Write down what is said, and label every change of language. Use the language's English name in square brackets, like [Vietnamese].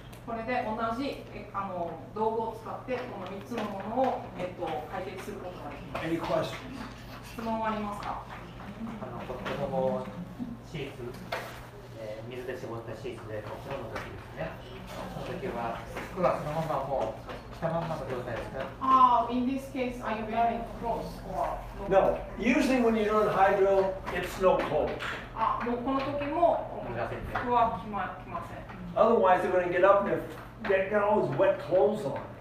[Japanese] これで同じ道具を使ってこの3つのものを解決することができます。 [English] Any questions? [Japanese] 質問はありますか？とってもシーツ、水で絞ったシーツでお風呂の時ですね。その時は服はそのままもう着たままの状態ですか？ [English] In this case, are you wearing clothes or? No. Usually, when you don't hydro, it's no cold. [Japanese] もうこの時も服は着ません。 [English] Otherwise, they're going to get up and they've got all these wet clothes on.